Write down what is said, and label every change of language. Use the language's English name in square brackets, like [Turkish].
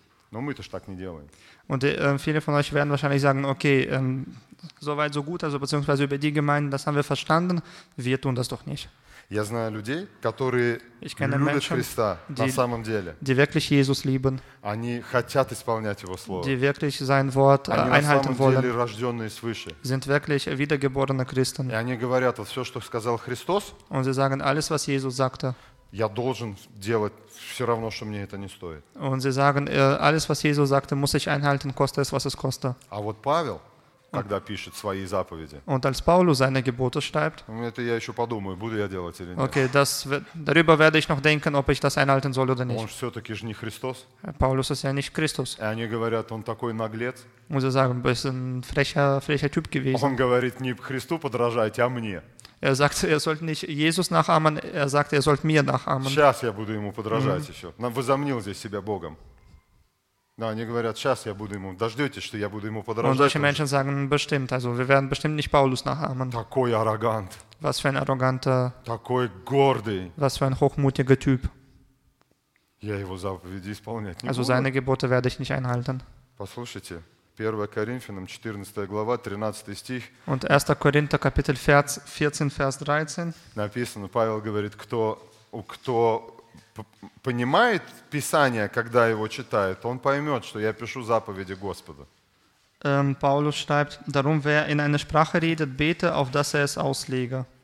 [Russian] Но мы-то ж так не делаем. [German] Und viele von euch werden wahrscheinlich sagen, okay, soweit so gut, also beziehungsweise über die Gemeinden, das haben wir verstanden, wir tun das doch nicht. [Russian] Я знаю людей, которые любят [German] Menschen, [Russian] Христа [German] die, [Russian] на самом деле. [German] Die wirklich Jesus lieben. [Russian] Они хотят исполнять Его Слово. [German] Die wirklich sein Wort [Russian] они [German] einhalten [Russian] на самом деле [German] wollen. [Russian] Рожденные свыше. [German] Sind wirklich wiedergeborene Christen. [Russian] И они говорят, вот все, что сказал Христос, [German] und sie sagen, alles, was Jesus sagte, [Russian] я должен делать все равно, что мне это не стоит. [German] Und sie sagen, alles, was Jesus sagte, muss ich einhalten, koste es, was es koste. [Russian] А вот Павел, когда пишет свои заповеди. [German] Und als Paulus seine Gebote schreibt. [Russian] Это я еще подумаю, буду я делать или нет. [German] Okay, darüber werde ich noch denken, ob ich das einhalten soll oder nicht. [Russian] Он все-таки же не Христос. [German] Paulus ist ja nicht Christus. [Russian] И они говорят, он такой наглец. [German] Und sie sagen, er ist ein frecher Typ gewesen. [Russian] Он говорит, не Христу подражайте, а мне. [German] Er sagt, er sollte nicht Jesus nachahmen, er sagt, er sollte mir nachahmen. [Russian] Сейчас я буду ему подражать еще. Он возомнил здесь себя Богом. Да, они говорят, сейчас я буду ему, дождетесь, что я буду ему подражать. [German] Und solche Menschen sagen, bestimmt, also wir werden bestimmt nicht Paulus nachahmen. [Russian] Такой арогант. [German] Was für ein arroganter. [Russian] Такой гордый. [German] Was für ein hochmütiger Typ. [Russian] Я его заповеди исполнять не буду. [German] Also seine Gebote werde ich nicht einhalten. [Russian] Послушайте, 1. Коринфянам, 14 глава, 13 стих. [German] Und 1. Korinther, Kapitel 14, Vers 13. [Russian] Написано, Павел говорит, кто понимает Писание, когда его читает, он поймет, что я пишу заповеди Господа. [German] Paulus schreibt, darum, wer in einer Sprache redet, bete, auf dass er es auslege.